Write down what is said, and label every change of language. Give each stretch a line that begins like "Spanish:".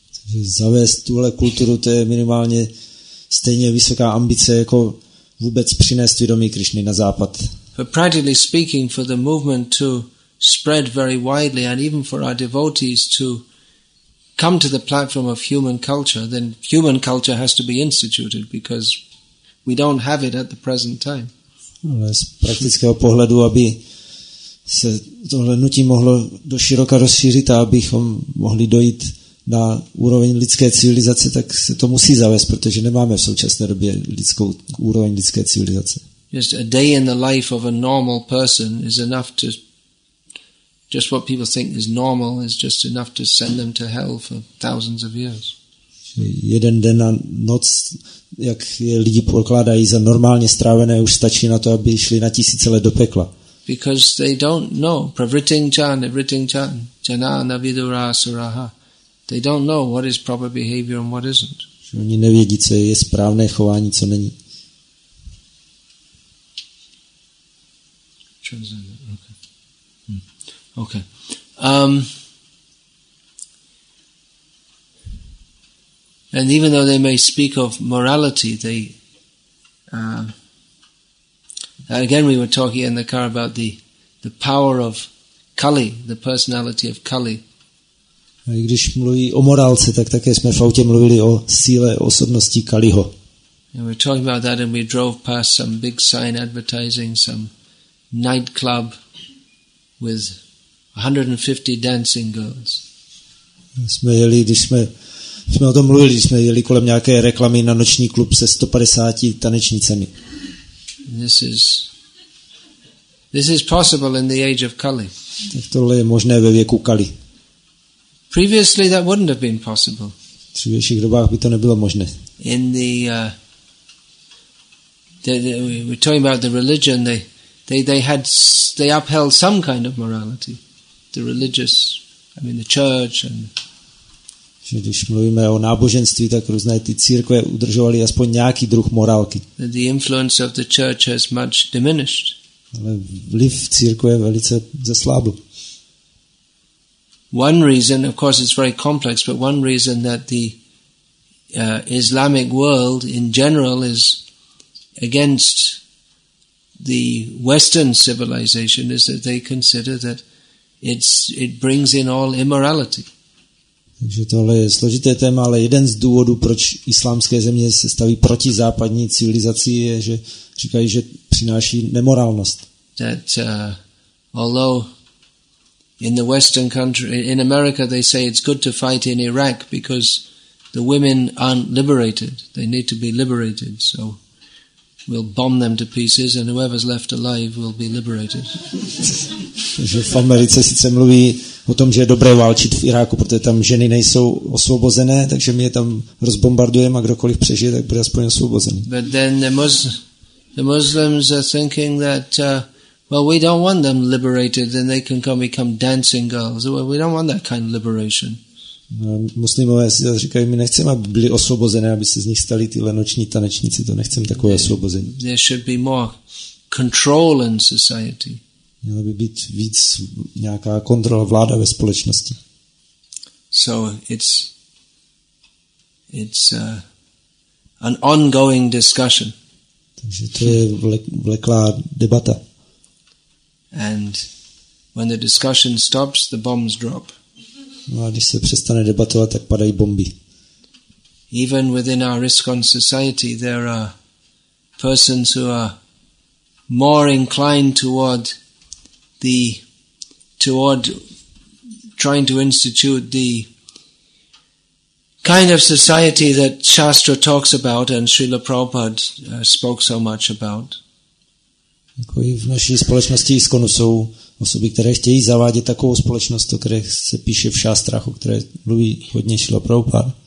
Czech: Takže zavést tuhle kulturu, to je minimálně stejně vysoká ambice, jako vůbec přinést vědomí Krišny na západ.
English: But practically speaking, for the movement to spread very widely and even for our devotees to come to the platform of human culture, then human culture has to be instituted because we don't have it at the present time.
Czech: Ale z praktického pohledu, aby se tohle nutí mohlo do široka rozšířit a abychom mohli dojít na úroveň lidské civilizace, tak se to musí zavést, protože nemáme v současné době úroveň lidské civilizace.
English: Just a day in the life of a normal person is enough to just what people think is normal is just enough to send them to hell for thousands of years.
Czech: Jeden den a noc, jak je lidi pokládají za normálně strávené, už stačí na to, aby šli na tisíce let do pekla.
English: Because they don't know
Sanskrit: pravritiṃ caṇa janā na vidurā surāḥ.
English: They don't know what is proper behavior and what isn't.
Czech: Oni nevědí, co je správné chování, co není.
English: Okay. And even though they may speak of morality, again we were talking in the car about the power of Kali, the personality of Kali.
Czech: A i když mluví o morálce, tak také jsme v autě mluvili o síle osobnosti Kaliho.
English: And we were talking about that and we drove past some big sign advertising some nightclub with 150 dancing girls.
Czech: Jsme o tom mluvili, jsme jeli kolem nějaké reklamy na noční klub se 150 tanečnicemi.
English: This is possible in the age of Kali.
Czech: Tak tohle je možné ve věku Kali.
English: Previously that wouldn't have been possible.
Czech: V dřívějších dobách by to nebylo možné.
English: In the we're talking about the religion, the they upheld some kind of morality, the religious, I mean the church and.
Czech: Že když mluvíme o náboženství, tak různé ty církve udržovaly aspoň nějaký druh morálky.
English: The influence of the church has much diminished.
Czech: Ale vliv církve velice zeslábl.
English: One reason, of course, it's very complex, but one reason that the Islamic world in general is against the Western civilization is that they consider that it brings in all immorality.
Czech: Takže tohle je složité téma, ale jeden z důvodů, proč islámské země se staví proti západní civilizaci, je, že říkají, že přináší nemorálnost.
English: That although in the Western country, in America, they say it's good to fight in Iraq because the women aren't liberated. They need to be liberated, so we'll bomb them to pieces, and whoever's left alive will be liberated.
Czech: Takže v Americe sice mluví o tom, že je dobré válčit v Iráku, protože tam ženy nejsou osvobozené, takže my je tam rozbombardujeme a kdokoliv přežije, tak bude aspoň osvobozený.
English: But then the Muslims are thinking that well, we don't want them liberated, then they can come become dancing girls. Well, we don't want that kind of liberation.
Czech: Muslimové si říkají, my nechceme, aby byli osvobozené, aby se z nich stali ty lenoční tanečníci, to nechceme takové osvobození.
English: There should be more control in society.
Czech: Měla by být víc nějaká kontrola, vláda ve společnosti.
English: So it's an ongoing discussion.
Czech: Takže to je vleklá debata.
English: And when the discussion stops, the bombs drop.
Czech: No a když se přestane debatovat, tak padají bomby.
English: Even within our ISKCON society, there are persons who are more inclined toward trying to institute the kind of society that Shastra talks about and Srila Prabhupada spoke so much about.
Czech: V naší společnosti ISKCONu jsou osoby, které chtějí zavádět takovou společnost, o které se píše v šástrách, o které mluví hodně Srila Prabhupada.